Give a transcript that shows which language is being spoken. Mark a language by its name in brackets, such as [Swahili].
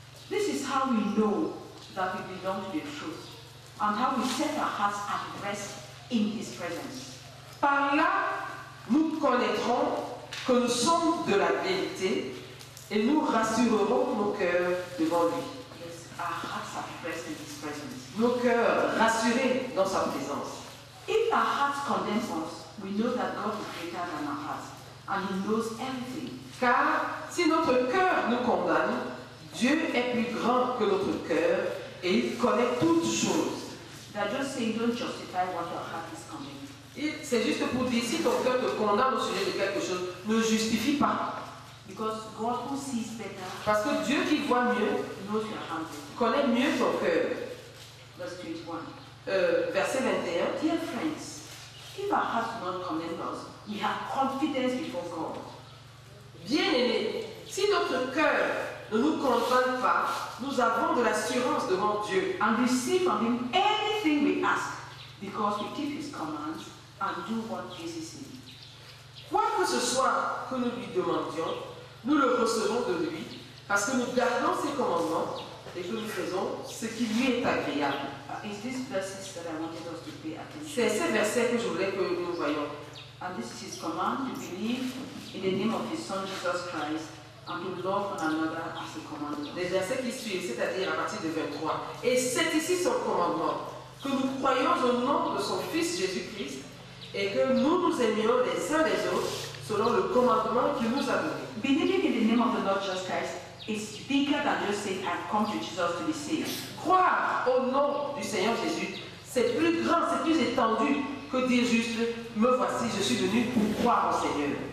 [English] This is how we know that we belong to the truth, and how we set our hearts at rest in His presence. [French] Par là, nous connaîtrons que nous sommes de la vérité. Et nous rassurerons nos cœurs devant lui. [English] Yes, our hearts are pressed in his presence. [French] Nos cœurs rassurés dans sa présence. [English] If our hearts condemn us, we know that God is greater than our hearts, and he knows everything. [French] Car si notre cœur nous condamne, Dieu est plus grand que notre cœur et il connaît toutes choses. [English] They're just saying, don't justify what your heart is condemning. [French] C'est juste pour dire, si ton cœur te condamne au sujet de quelque chose, ne justifie pas. [English] Because God who sees better. [French] Parce que Dieu qui voit mieux [English] knows your heart. [French] Connaît mieux ton cœur. Verset 21. [English] Dear friends, if our hearts do not condemn us, we have confidence before God. [French] Bien-aimés, si notre cœur ne nous condamne pas, nous avons de l'assurance devant Dieu. [English] And receive from him anything we ask, because we keep his commands and do what pleases him. [French] Quoi que ce soit que nous lui demandions, nous le recevons de lui, parce que nous gardons ses commandements et que nous faisons ce qui lui est agréable. [English] Is this verses that I wanted us to pay attention? [French] C'est ce verset que je voulais que nous voyions. [English] And this is his command to believe in the name of his Son Jesus Christ and to love one another as he commanded. [French] Les versets qui suivent, c'est-à-dire à partir de 23. Et c'est ici son commandement, que nous croyons au nom de son Fils Jésus-Christ et que nous nous aimions les uns les autres selon le commandement qu'il nous a donné. [English] Believing in the name of the Lord Jesus Christ is bigger than just saying, I've come to Jesus to be saved. [French] Croire au nom du Seigneur Jésus, c'est plus grand, c'est plus étendu que dire juste, me voici, je suis venu pour croire au Seigneur.